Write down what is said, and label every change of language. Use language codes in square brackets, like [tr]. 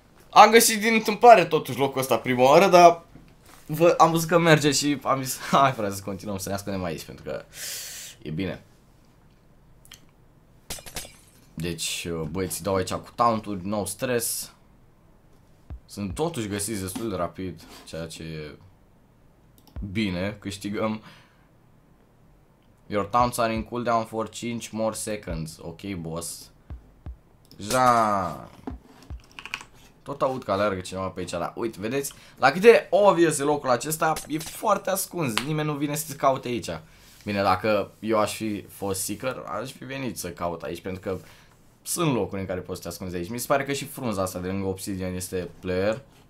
[ro] Am găsit din întâmplare totuși locul ăsta prima oară, dar am văzut că merge și am zis, hai frate, să continuăm să ne ascundem aici, pentru că e bine. Deci, băieți, dau aici cu taunturi, [en] no stress. [ro] Sunt totuși găsiți destul de rapid, ceea ce e bine, câștigăm. [en] Your towns are in cooldown for 5 more seconds. Ok, boss. Ja. [ro] Tot aud că aleargă cineva pe aici, dar uite, vedeți? La cât de obvious e locul acesta, e foarte ascuns. Nimeni nu vine să te caute aici. Bine, dacă eu aș fi fost seeker, aș fi venit să caut aici, pentru că sunt locuri în care poți să te ascunzi aici. Mi se pare că și frunza asta de lângă obsidian este player.